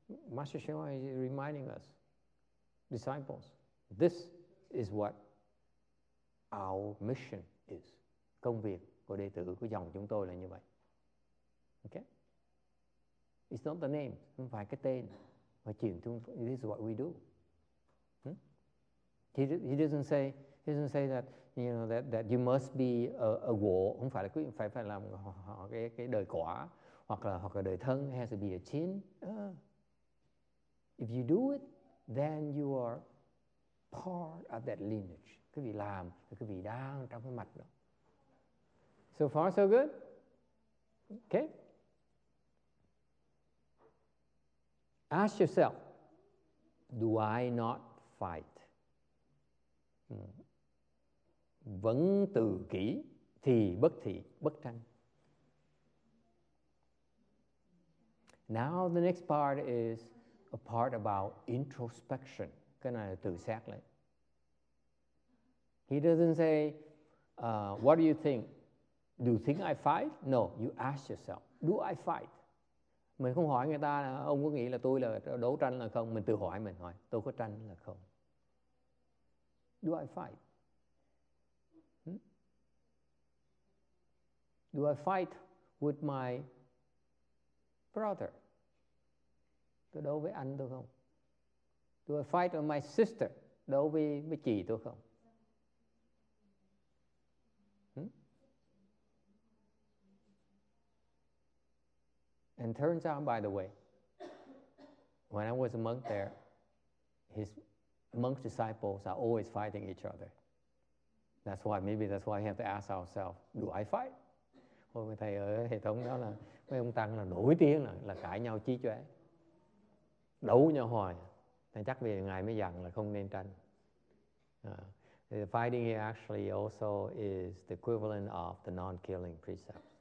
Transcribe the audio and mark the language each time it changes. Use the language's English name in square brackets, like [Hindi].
[English] Master Shema is reminding us, disciples, this is what our mission is. [Vietnamese] Công việc của đệ tử của dòng chúng tôi là như vậy. [English] Okay? It's not the name, [Vietnamese] không phải cái tên. Mà chuyện chúng tôi, [English] this is what we do. He doesn't say that you know that you must be a guo, [Vietnamese] không phải là quý phải phải làm họ cái đời quả hoặc là đời thân, [English] has to be a chin. If you do it, then you are part of that lineage. [Vietnamese] Quý vị làm thì quý vị đang trong cái mạch đó. [English] So far so good. Okay. Ask yourself, do I not fight? [Vietnamese] Vẫn tự kỷ thì bất thị, bất tranh. [English] Now the next part is a part about introspection. [Vietnamese] Cái này là tự xét lại. [English] He doesn't say, what do you think? Do you think I fight? No, you ask yourself, do I fight? [Vietnamese] Mình không hỏi người ta là ông có nghĩ là tôi là đấu tranh là không. Mình tự hỏi mình hỏi, tôi có tranh là không? [English] Do I fight? Do I fight with my brother? [Vietnamese] Tôi đấu với anh tôi không? [English] Do I fight with my sister? [Vietnamese] Đấu với chị tôi không? [English] And turns out, by the way, when I was a monk there, his monk disciples are always fighting each other. That's why we have to ask ourselves, do I fight? [Vietnamese] Hồi mà thầy ở hệ thống đó là mấy ông tăng là nổi tiếng là cãi nhau chí chóe, đấu nhau hoài. Thầy chắc vì ngài mới dặn là không nên tranh. [English] The fighting actually also is the equivalent of the non-killing precept.